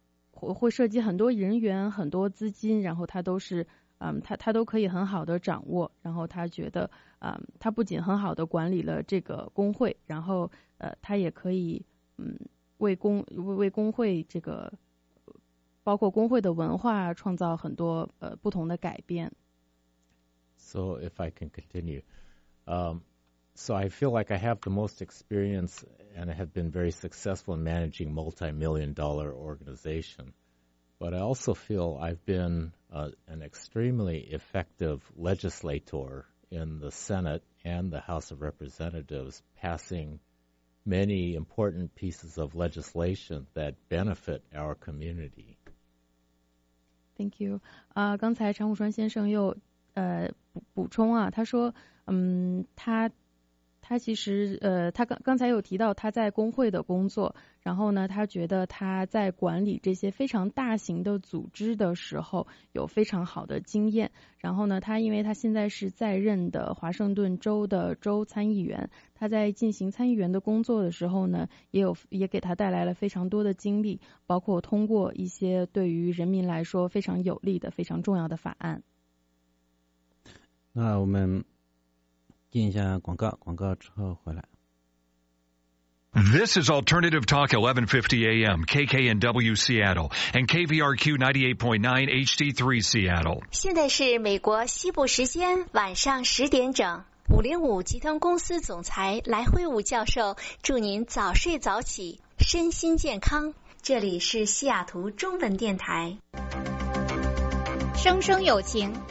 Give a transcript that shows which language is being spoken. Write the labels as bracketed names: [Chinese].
[Chinese] 会涉及很多人员很多资金，然后他都是他都可以很好的掌握，然后他觉得他不仅很好的管理了这个工会，然后他也可以为工会这个包括工会的文化创造很多不同的改变。 [English] So if I can continue, so I feel like I have the most experience and I have been very successful in managing multi-million dollar organization. But I also feel I've been an extremely effective legislator in the Senate and the House of Representatives, passing many important pieces of legislation that benefit our community. Thank you. [Chinese] 刚才常武川先生又补充啊，他说，他他其实他刚才有提到他在工会的工作，然后呢他觉得他在管理这些非常大型的组织的时候有非常好的经验，然后呢他因为他现在是在任的华盛顿州的州参议员，他在进行参议员的工作的时候呢也给他带来了非常多的经历，包括通过一些对于人民来说非常有利的非常重要的法案。那我们进一下广告，广告之后回来。 [English] This is Alternative Talk 1150 AM, KKNW Seattle, and KVRQ 98.9 HD3 Seattle. [Chinese] 现在是美国西部时间晚上10点整。 505集团公司总裁来辉武教授祝您早睡早起，身心健康。这里是西雅图中文电台。声声有情。